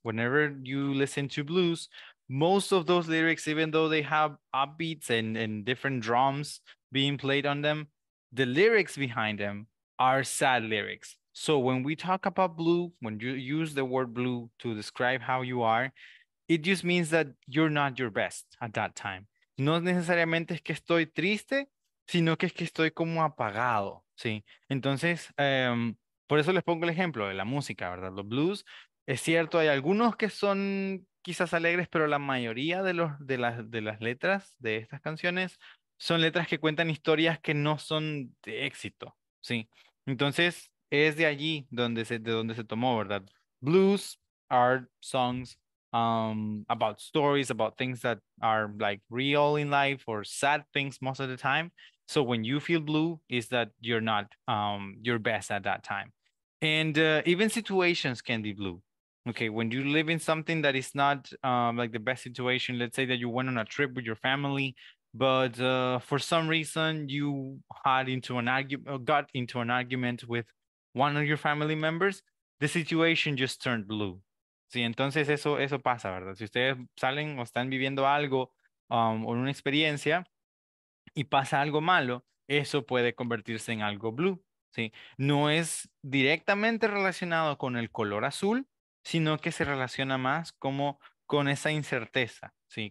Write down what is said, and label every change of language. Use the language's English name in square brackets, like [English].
[English] Whenever you listen to blues, most of those lyrics, even though they have upbeats and different drums being played on them, the lyrics behind them are sad lyrics. So when we talk about blue, when you use the word blue to describe how you are, it just means that you're not your best at that time. [Spanish] No necesariamente es que estoy triste, sino que es que estoy como apagado, ¿sí? Entonces, por eso les pongo el ejemplo de la música, ¿verdad? Los blues, es cierto, hay algunos que son quizás alegres, pero la mayoría de las letras de estas canciones son letras que cuentan historias que no son de éxito, ¿sí? Entonces, es de allí de donde se tomó, ¿verdad? [English] Blues are songs about stories, about things that are like real in life or sad things most of the time. So when you feel blue, is that you're not your best at that time. And even situations can be blue. Okay, when you live in something that is not like the best situation, let's say that you went on a trip with your family, but for some reason you got into an argument with one of your family members, the situation just turned blue. [Spanish] Sí, entonces eso pasa, ¿verdad? Si ustedes salen o están viviendo algo o una experiencia y pasa algo malo, eso puede convertirse en algo blue, ¿sí? No es directamente relacionado con el color azul, sino que se relaciona más como con esa incerteza, ¿sí?